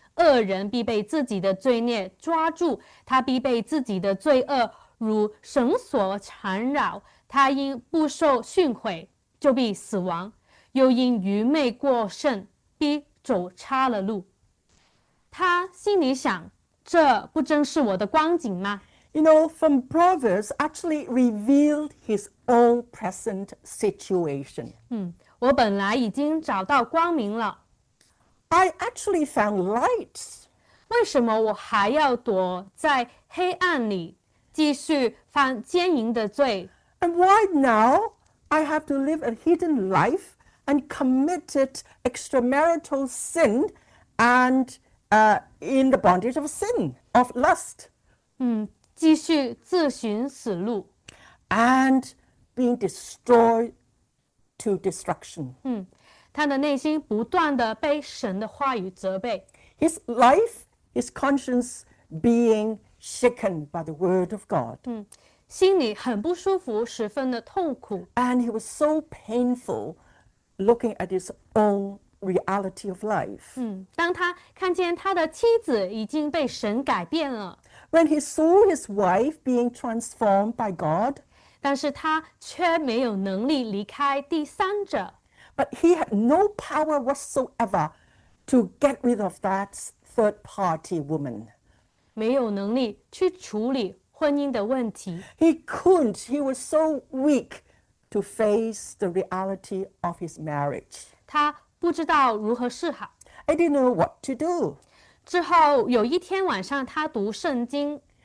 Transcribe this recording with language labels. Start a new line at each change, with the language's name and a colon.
Chinese: 恶人必被自己的罪孽抓住，他必被自己的罪恶如绳索缠绕，他因不受训诲，就必死亡；又因愚昧过甚，必走差了路。他心里想，这不正是我的光景吗？
English: You know, from Proverbs actually revealed his own present situation.
Chinese: 我本来已经找到光明了。
English: I actually found light.
Chinese: 为什么我还要躲在黑暗里，继续犯奸淫的罪？
English: And why now I have to live a hidden life and committed extramarital sin and in the bondage of sin, of lust?
Chinese: 继续自寻死路。
English: And being destroyed to destruction.
Chinese: 他的内心不断的被神的话语责备。
English: His life, his conscience being shaken by the word of God.
Chinese: 心里很不舒服，十分的痛苦。
English: And he was so painful looking at his own reality of life.
Chinese: 当他看见他的妻子已经被神改变了，
English: When he saw his wife being transformed by God,
Chinese: 但是他却没有能力离开第三者。
English: but he had no power whatsoever to get rid of that third party woman.
Chinese: 没有能力去处理婚姻的问题。
English: He was so weak to face the reality of his marriage.
Chinese: 他不知道如何是好。
English: I didn't know what to do.
Chinese: 之后有一天晚上，他读圣经，